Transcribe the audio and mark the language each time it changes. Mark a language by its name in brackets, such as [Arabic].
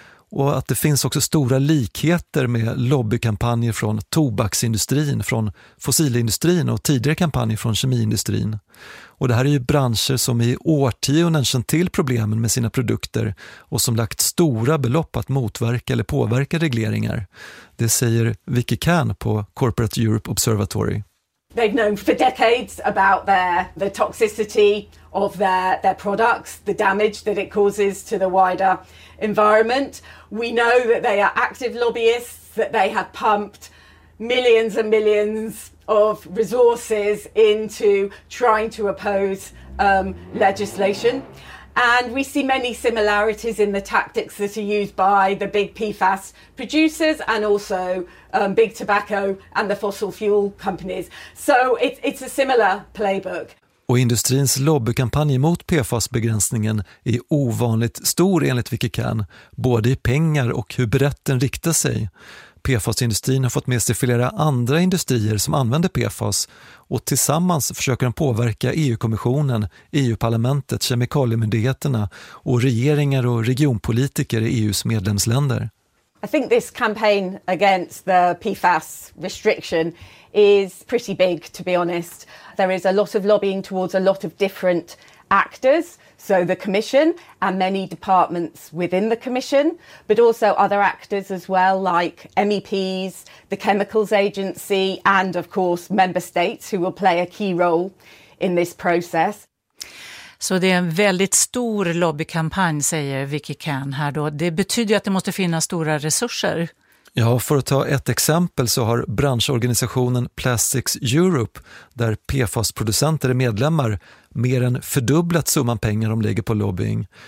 [Swedish] Och att det finns också stora likheter med lobbykampanjer från tobaksindustrin, från fossilindustrin och tidigare kampanjer från kemiindustrin. Och det här är ju branscher som i årtionden känt till problemen med sina produkter och som lagt stora belopp att motverka eller påverka regleringar. Det säger Vicky Kahn på Corporate Europe Observatory. [English] They've known for decades about the toxicity of their products, the damage that it causes to the wider environment. We know that they are active lobbyists, that they have pumped millions and millions of resources into trying to oppose legislation. And we see many similarities in the tactics that are used by the big PFAS producers and also big tobacco and the fossil fuel companies. So it's a similar playbook. [Swedish] Och industrins lobbykampanj mot PFAS-begränsningen är ovanligt stor enligt Vicky Kahn, både i pengar och hur brett den riktar sig. PFAS-industrin har fått med sig flera andra industrier som använder PFAS och tillsammans försöker de påverka EU-kommissionen, EU-parlamentet, kemikaliemyndigheterna och regeringar och regionpolitiker i EUs medlemsländer. [English] I think this campaign against the PFAS restriction is pretty big, to be honest. There is a lot of lobbying towards a lot of different actors. So the commission and many departments within the commission, but also other actors as well, like MEPs, the chemicals agency, and of course member states who will play a key role in this process. [Swedish] Så det är en väldigt stor lobbykampanj, säger Vicky Kahn här då. Det betyder ju att det måste finnas stora resurser. Ja, för att ta ett exempel så har branschorganisationen Plastics Europe, där PFAS-producenter är medlemmar, mer än fördubblat summan pengar de lägger på lobbying.